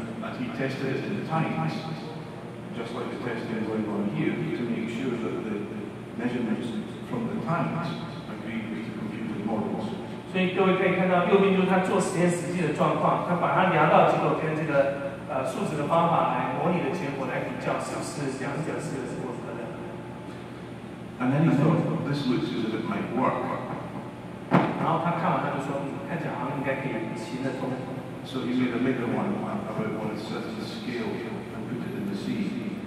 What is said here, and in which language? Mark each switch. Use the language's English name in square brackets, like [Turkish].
[English] And he tested it in the tanks, just like the testing going on here, to make sure that the measurements from the tanks agreed with the computer models. [Chinese] 所以各位可以看到，右边就是他做实验实际的状况，他把它量到结果跟这个数值的方法来模拟的结果来比较，小时是两者是符合的。 [English] And then he thought this looks as if it might work. [Chinese] 然后他看完他就说，看起来好像应该可以行得通。 [English] So he made a bigger one about one set of scale and put it in the sea.